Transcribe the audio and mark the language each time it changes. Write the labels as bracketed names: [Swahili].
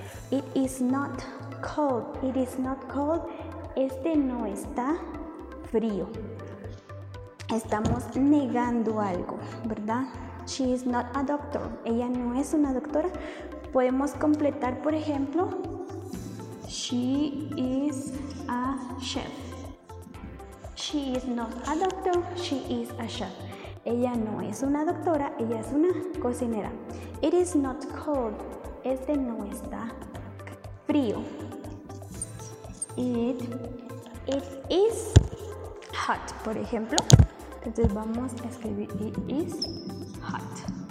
[English] It is not cold, it is not cold. [Spanish] Este no está frío. Estamos negando algo, ¿verdad? [English] She is not a doctor, [Spanish] ella no es una doctora. Podemos completar, por ejemplo, [English] she is a chef. She is not a doctor, she is a chef. [Spanish] Ella no es una doctora, ella es una cocinera. [English] It is not cold, [Spanish] este no está frío. [English] It is hot, [Spanish] por ejemplo. Entonces vamos a escribir [English] it is hot.